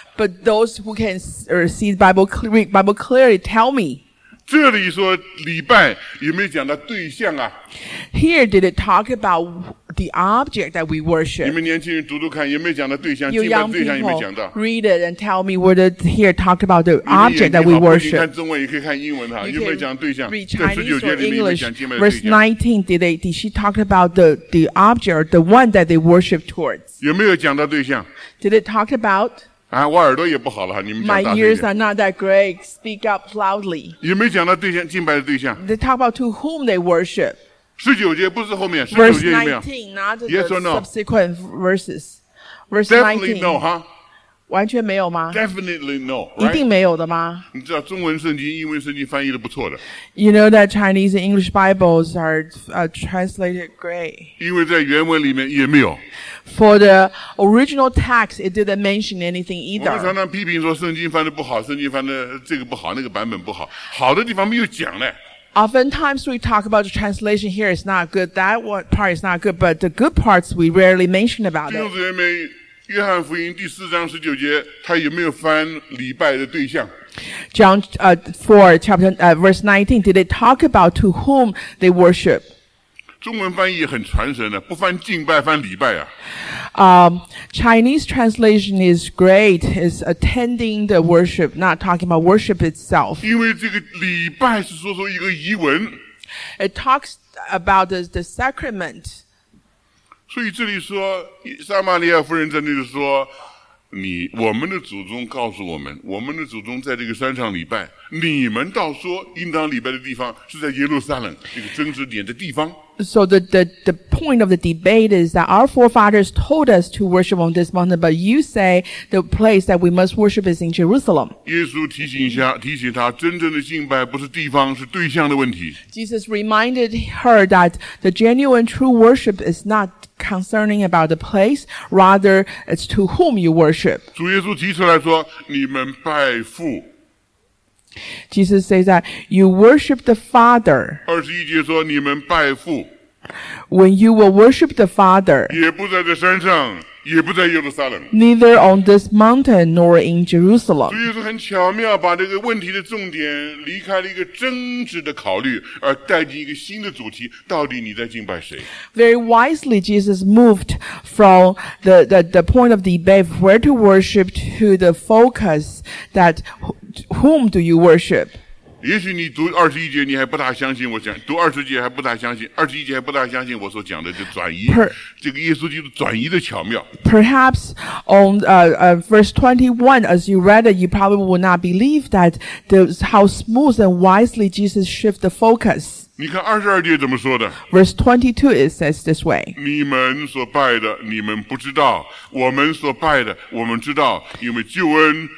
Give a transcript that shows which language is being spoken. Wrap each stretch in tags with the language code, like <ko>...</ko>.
<en>But those who can see the Bible, read the Bible clearly, tell me.</en> <zh>这里说礼拜有没有讲到对象啊？</zh> <en>Here, did it talk about the object that we worship?</en> <zh>你们年轻人读读看有没有讲到对象？</zh> <en>You young people,</en> <zh>对象有没有讲到？</zh> <en>Read it and tell me whether here talk about the object that we worship.</en> <zh>你可以看中文，也可以看英文哈。有没有讲对象？在十九节里面有没有讲敬拜的对象？</zh> <en>Verse 19, did she talk about the object, the one that they worship towards?</en> <zh>有没有讲到对象？</zh> <en>Did it talk about?</en> <zh>啊，我耳朵也不好了，你们讲大声点。</zh> <en>My ears are not that great. Speak up loudly.</en> <zh>有没有讲到对象敬拜的对象</zh> <en>？They talk about to whom they worship.</en> <zh>十九节不是后面，十九节有没有</zh> <en>？Verse 19, not yes or no? Subsequent verses. Verse 19. Definitely no, huh?</en> <zh>完全没有吗</zh> <en>？Definitely no.、Right?</en> <zh>一定没有的吗？你知道中文圣经、英文圣经翻译的不错的。</zh> <en>You know that Chinese and English Bibles are translated great.</en> <zh>因为在原文里面也没有。</zh> <en>For the original text, it didn't mention anything either.</en> <zh>我们常常批评说圣经翻的不好，圣经翻的这个不好，那个版本不好，好的地方没有讲嘞。</zh> <en>Oftentimes we talk about the translation here is not good. That one part is not good, but the good parts we rarely mention about it.</en> <zh>就是因为约翰福音第四章十九节，他有没有翻礼拜的对象</zh> <en>？John four chapter verse 19, did they talk about to whom they worship？</en> <zh>中文翻译很传神的，不翻敬拜，翻礼拜啊。</zh> <en>Chinese translation is great. It's attending the worship, not talking about worship itself.</en> <zh>因为这个礼拜是说一个仪文。</zh> <en>It talks about the sacrament.</en> <zh>所以这里说，撒玛利亚夫人在那里说，我们的祖宗告诉我们，我们的祖宗在这个山上礼拜，你们倒说应当礼拜的地方是在耶路撒冷，这个争执点的地方。</zh> <en>So the point of the debate is that our forefathers told us to worship on this mountain, but you say the place that we must worship is in Jerusalem.</en> <zh>耶稣提醒他，真正的敬拜不是地方，是对象的问题。</zh> <en>Jesus reminded her that the genuine true worship is not concerning about the place, rather it's to whom you worship.</en> <zh>主耶稣提出来说，你们拜父。</zh> <en>Jesus says that you worship the Father.</en> <zh>二十一节说你们拜父。</zh> <en>When you will worship the Father,</en> <zh>也不在这山上，也不在耶路撒冷。</zh> <en>Neither on this mountain nor in Jerusalem.</en> <zh>所以说很巧妙，把这个问题的重点离开了一个争执的考虑，而带进一个新的主题：到底你在敬拜谁</zh> <en>？Very wisely, Jesus moved from the point of debate where to worship to the focus that. Whom do you worship?</en> <zh>也许你读二十一节，你还不大相信我讲。读二十节还不大相信，二十一节还不大相信我所讲的这转移，这个耶稣基督转移的巧妙。</zh> <en>Perhaps on verse 21, as you read it, you probably will not believe that how smooth and wisely Jesus shift the focus.</en> <zh>你看二十二节怎么说的</zh> <en>？Verse 22 it says this way:</en> <zh>你们所拜的你们不知道，我们所拜的我们知道，因为救恩。</zh>